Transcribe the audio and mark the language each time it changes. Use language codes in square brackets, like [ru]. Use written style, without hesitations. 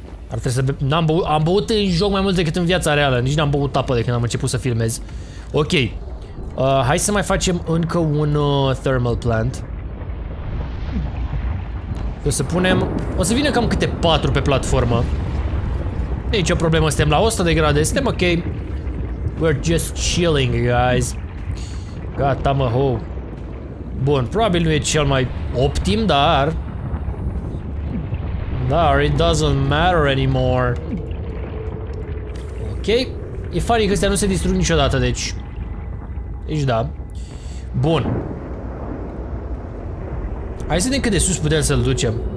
[ro] Ar trebui să be- n-am băut, am băut în joc mai mult decât în viața reală. Nici n-am băut apă de când am început să filmez. Ok. Hai să mai facem încă un thermal plant. O să punem... O să vină cam câte 4 pe platformă. Nici o problemă, suntem la 100 de grade, suntem ok. [en] We're just chilling, guys. [ro] Gata, mă, ho. Bun, probabil nu e cel mai optim, dar... Dar [en] it doesn't matter anymore. [ro] Ok. E funny că astea nu se distrug niciodată, deci... Deci da. Bun. Hai să vedem cât de sus putem să-l ducem.